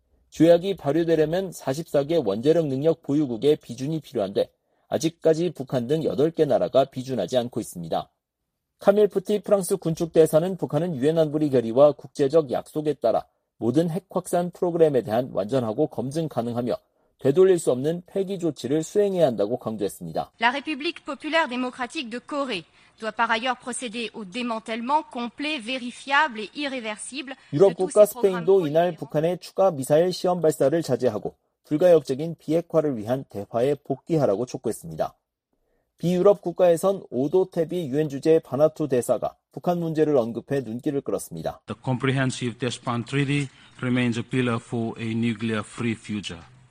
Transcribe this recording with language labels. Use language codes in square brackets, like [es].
[ko] 조약이 발효되려면 44개 원자력 능력 보유국의 비준이 필요한데 아직까지 북한 등 8개 나라가 비준하지 않고 있습니다. 카밀 푸티 프랑스 군축대사는 북한은 유엔 안보리 결의와 국제적 약속에 따라 모든 핵 확산 프로그램에 대한 완전하고 검증 가능하며 되돌릴 수 없는 폐기 조치를 수행해야 한다고 강조했습니다. [fr] La République populaire démocratique de Corée doit par ailleurs procéder au démantèlement complet, vérifiable et irréversible. [ko] 유럽 국가 스페인도 이날 북한의 추가 미사일 시험 발사를 자제하고 불가역적인 비핵화를 위한 대화에 복귀하라고 촉구했습니다. 비유럽 국가에선 오도 테비 유엔 주재 바나투 대사가 북한 문제를 언급해 눈길을 끌었습니다. [en] The comprehensive Despont Treaty remains a pillar for a nuclear-free future.